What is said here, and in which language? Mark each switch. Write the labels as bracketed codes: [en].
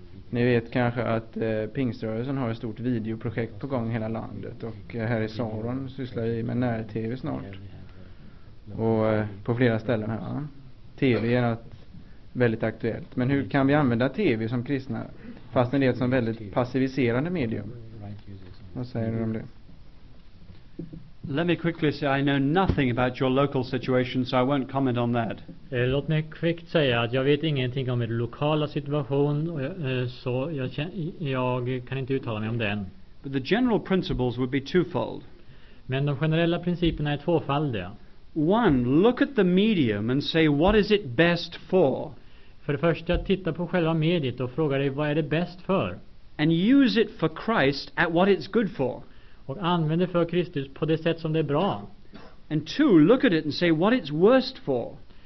[sv] Ni vet kanske att Pingströrelsen har ett stort videoprojekt på gång i hela landet, och här i Saron sysslar vi med när-tv snart och på flera ställen här. TV är väldigt aktuellt, men hur kan vi använda tv som kristna fast det är ett som väldigt passiviserande medium? Vad säger du om det? [en] Let me quickly say I know nothing about your local situation, so I won't comment on that. [sv] Låt mig kvickt säga att jag vet ingenting om er lokala situation, så jag kan inte uttala mig om den. [en] But the general principles would be twofold. [sv] Men de generella principerna är tvåfaldiga. [en] One, look at the medium and say, what is it best for? [sv] För det första, titta på själva mediet och fråga dig, vad är det bäst för? [en] And use it for Christ at what it's good for. [sv] Och använder för Kristus på det sätt som det är bra. [en] And two, look at it and say what it's worst for.